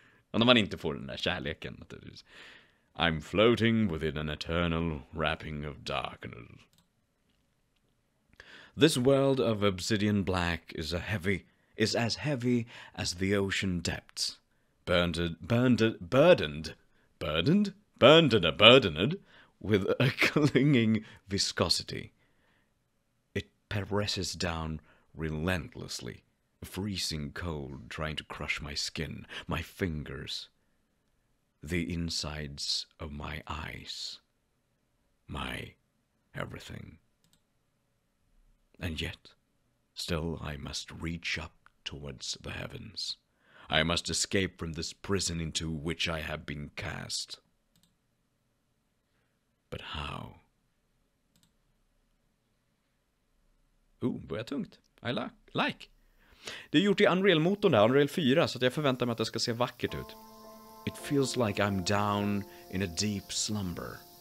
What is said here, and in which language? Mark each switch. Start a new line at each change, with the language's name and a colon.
Swedish: Och när man inte får den där kärleken, naturligtvis.
English: I'm floating within an eternal wrapping of darkness. This world of obsidian black is as heavy as the ocean depths. Burdened with a clinging viscosity. It presses down relentlessly. Freezing cold, trying to crush my skin, my fingers, the insides of my eyes, my everything. And yet, still I must reach up towards the heavens. I must escape from this prison into which I have been cast. But how?
Swedish: Ooh, börjar tungt.
English: I like.
Swedish: Det är gjort i Unreal-motorn där, Unreal 4, så att jag förväntar mig att det ska se vackert ut.
English: It feels like I'm down in a deep slumber.